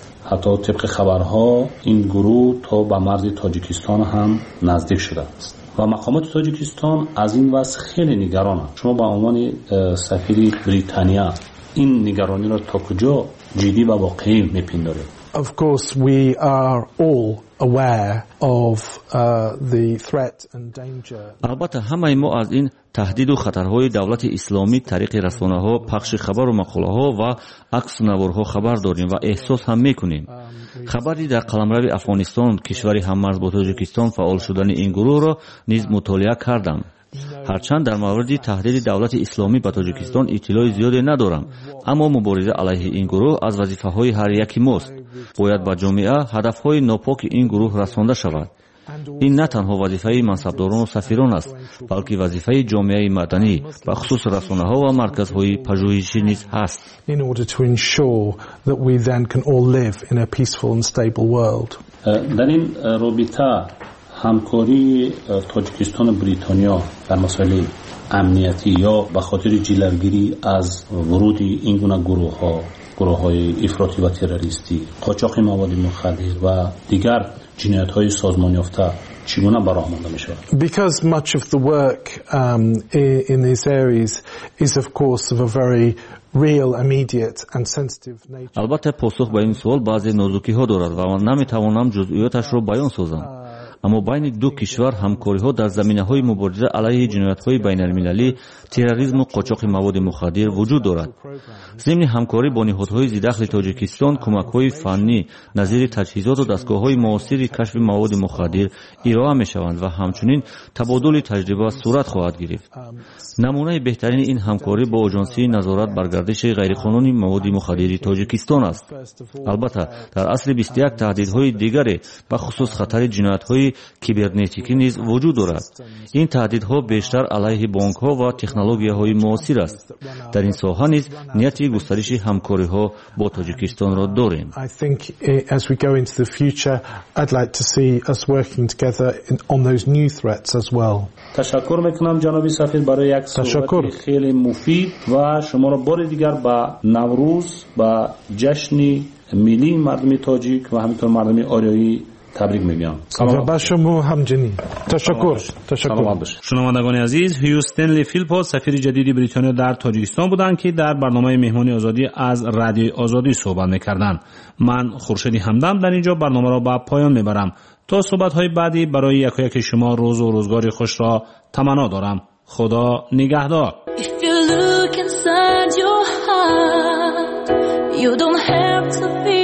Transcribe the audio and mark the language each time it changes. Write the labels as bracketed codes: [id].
[fa] حتی طبق خبرها این گروه تا به مرز تاجیکستان هم نزدیک شده است و مقامات تاجیکستان از این وضع خیلی نگران هست. شما به عنوان سفیر بریتانیا این نگرانی را تا کجا جدی و واقعی می پندارید؟ [en] Of course we are all aware of the threat and danger. [fa] البته همه ما از این تهدید و خطرهای دولت اسلامی طریق رسانه‌ها، پخش خبر و مقاله‌ها و عکس نوارها خبر داریم و احساس هم میکنیم. خبری در قلمرو افغانستان، کشوری هممرز با تاجیکستان، فعال شدن این گروه را نیز مطالعه کردم. هرچند در مورد تهدید دولت اسلامی به تاجیکستان اطلاع زیادی ندارم، اما مبارزه علیه این گروه از وظیفه های هر یکی ماست. باید به جامعه هدف های ناپاک این گروه رسانده شود. این نه تنها وظیفه منصبداران و سفیران است، بلکه وظیفه جامعه مدنی و خصوص رسانه ها و مرکز های پژوهشی نیز هست. [en] In order to ensure that we then can all live in a peaceful and stable world. [fa] در این رابطه همکاری تاجیکستان و بریتانیا در مسائل امنیتی یا به خاطر جلوگیری از ورود این گونه گروه ها، گروه های افراطی و تروریستی، قاچاق مواد مخدر و دیگر جنایت های سازمان یافته چگونه براه مانده می شود؟ [en] Because much of the work in these areas is of course of a very real immediate and sensitive nature. [fa] البته پاسخ به این سوال بعضی نازکی ها دارد و من نمی توانم جزئیاتش را بیان سازم، اما بین دو کشور همکاری ها در زمینه های مبارزه علیه جنایت های بین المللی، تروریسم و قاچاق مواد مخدر وجود دارد. ضمن همکاری با نهادهای ضد دخل تاجیکستان، کمک های فنی نظیر تجهیزات و دستگاه های موثر کشف مواد مخدر ارائه می شوند و همچنین تبادل تجربه صورت خواهد گرفت. نمونه بهترین این همکاری با آژانسی نظارت بر گردش غیرقانونی مواد مخدر تاجیکستان است. البته در عصر 21 تهدیدهای دیگری به خصوص خطر جنایت های کیبرنتیکی نیز وجود دارد. این تهدیدها بیشتر علیه بانک ها و تکنولوژی های معاصر است. در این ساحه نیز نیت گسترش همکاری ها با تاجیکستان را داریم. [en] I think as we go into the future I'd like to see us working together on those new threats as well. [fa] تشکر میکنم جناب سفیر برای یک صحبت خیلی مفید و شما را بار دیگر با نوروز، با جشن ملی مردم تاجیک و همینطور مردم آریایی تبریک میگم. سلام به شما همچنین. تشکر. شنوندگان عزیز، هیو استنلی فیلپو سفیر جدید بریتانیا در تاجیکستان بودند که در برنامه مهمانی آزادی از رادیو آزادی صحبت میکردند. من خورشید همدم در اینجا برنامه را به پایان میبرم. تا صحبت های بعدی برای یک یک شما روز و روزگار خوش را تمنا دارم. خدا نگهدار. [en] If you look inside your heart, you don't have to...